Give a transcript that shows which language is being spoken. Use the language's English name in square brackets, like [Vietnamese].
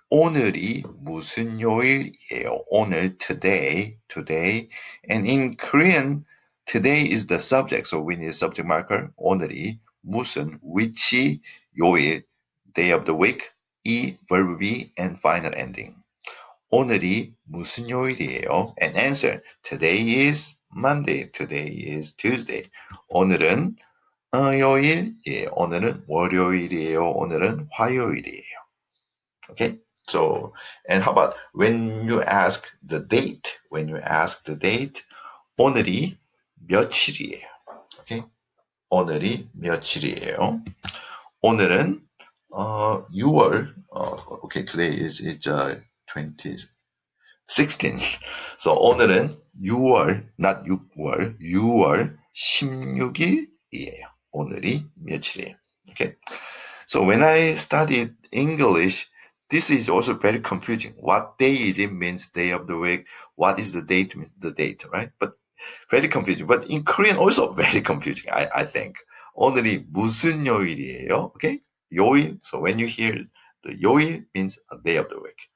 [Korean] 오늘이 무슨 요일이에요? [English] 오늘, today, today. And in Korean, today is the subject, so we need a subject marker. 오늘이 무슨, which 요일, day of the week, 이, verb be, and final ending. [Korean] 오늘이 무슨 요일이에요? [English] And answer, today is Monday, today is Tuesday. [Korean] 오늘은 요일이에요. 오늘은 월요일이에요. 오늘은 화요일이에요. [English] Okay, so, and how about when you ask the date? When you ask the date, [Korean] 오늘이 며칠이에요. [English] Okay, [Korean] 오늘이 며칠이에요. 오늘은 6월, [English] okay, today is 2016. [Korean] So, 오늘은 6월, not 6월, 6월 16일이에요. 오늘이 며칠이에요. [English] Okay, so when I studied English, this is also very confusing. What day is it means day of the week. What is the date means the date, right? But very confusing. But in Korean also very confusing, I think. [Korean] 오늘이 무슨 요일이에요? [English] Okay? 요일. So when you hear the 요일 means a day of the week.